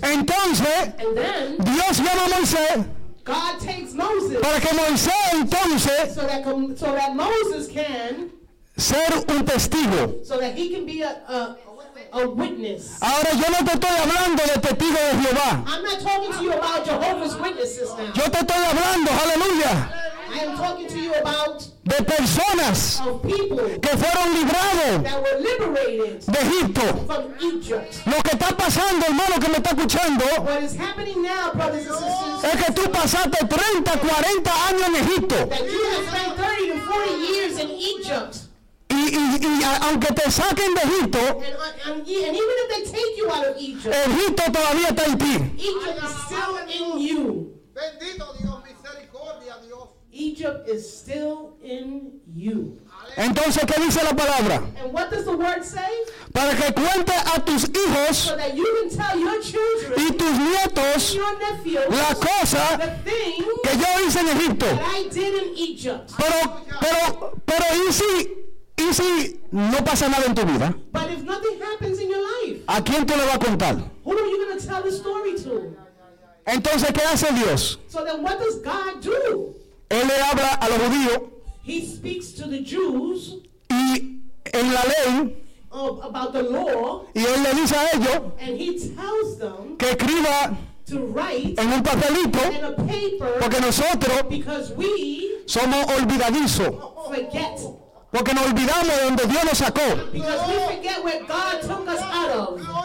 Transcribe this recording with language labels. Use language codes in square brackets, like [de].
[es] Entonces, [en] and then, [es] Dios llama a Moisés, [en] God takes Moses, [es] para que Moisés entonces, [en] so that Moses can, [es] ser un testigo, [en] so that he can be a witness. [es] Ahora yo no te estoy hablando de testigo de Jehová. [en] I'm not talking to you about Jehovah's Witnesses. services now. [es] Yo te estoy hablando, aleluya. [en] I am talking to you about [es] de personas [en] of people [es] que fueron librados de Egipto. [en] From Egypt. [es] Lo que está pasando, hermano, que me está escuchando, [en] what is happening now, brothers and sisters, [es] es que tú pasaste 30, 40 años en Egipto. [en] That you have spent 30 to 40 years in Egypt. [es] Y aunque te saquen de Egipto, [en] and even if they take you out of Egypt, [es] Egipto todavía está en ti. [en] Egypt is still in you. [es] Bendito Dios, misericordia Dios. [en] Egypt is still in you. [es] Entonces, ¿qué dice la palabra? [en] And what does the word say? [es] Para que cuente a tus hijos, [en] so that you can tell your children [es] y tus nietos, [en] and your nephews, [es] la cosa, [en] the thing [es] que yo hice en Egipto. [en] That I did in Egypt. [es] Pero y si no pasa nada en tu vida, [en] but if nothing happens in your life, [es] ¿a quién te lo va a contar? [en] Who are you going to tell the story to? [es] Entonces, ¿qué hace Dios? [en] So then what does God do? [es] Él le habla a los judíos. [en] He speaks to the Jews. [es] Y en la ley. [en] About the law. [es] Y él le dice a ellos. [en] And he tells them. [es] Que escriba. [en] To write. [es] En un papelito. [en] In a paper. [es] Porque nosotros. [en] Because we. [es] Somos olvidadizos. [en] Forget. [es] Porque nos olvidamos de donde Dios nos sacó. [en] Because we forget where God took us out of.